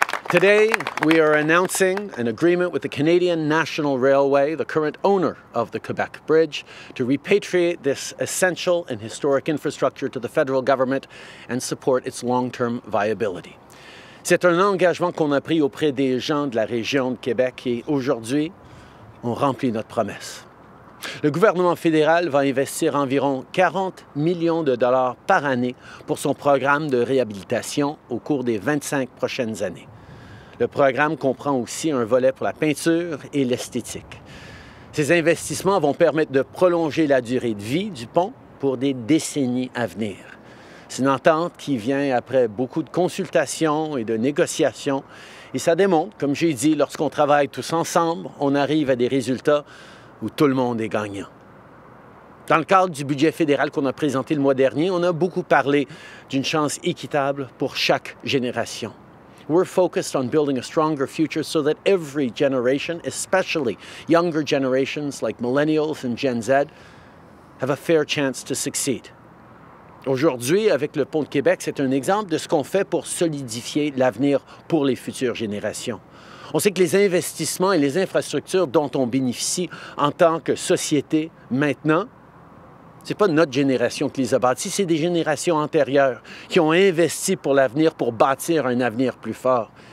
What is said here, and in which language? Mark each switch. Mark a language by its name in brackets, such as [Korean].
[English] Today, we are announcing an agreement with the Canadian National Railway, the current owner of the Québec Bridge, to repatriate this essential and historic infrastructure to the federal government and support its long-term viability. [French] C'est un engagement qu'on a pris auprès des gens de la région de Québec et aujourd'hui, on remplit notre promesse. Le gouvernement fédéral va investir environ 40 millions de dollars par année pour son programme de réhabilitation au cours des 25 prochaines années. Le programme comprend aussi un volet pour la peinture et l'esthétique. Ces investissements vont permettre de prolonger la durée de vie du pont pour des décennies à venir. C'est une entente qui vient après beaucoup de consultations et de négociations, et ça démontre, comme j'ai dit, lorsqu'on travaille tous ensemble, on arrive à des résultats où tout le monde est gagnant. Dans le cadre du budget fédéral qu'on a présenté le mois dernier, on a beaucoup parlé d'une chance équitable pour chaque génération. [English] We're focused on building a stronger future so that every generation, especially younger generations like millennials and Gen Z, have a fair chance to succeed. [French] Aujourd'hui, avec le pont de Québec, c'est un exemple de ce qu'on fait pour solidifier l'avenir pour les futures générations. On sait que les investissements et les infrastructures dont on bénéficie en tant que société maintenant, ce n'est pas notre génération qui les a bâtis, c'est des générations antérieures qui ont investi pour l'avenir, pour bâtir un avenir plus fort.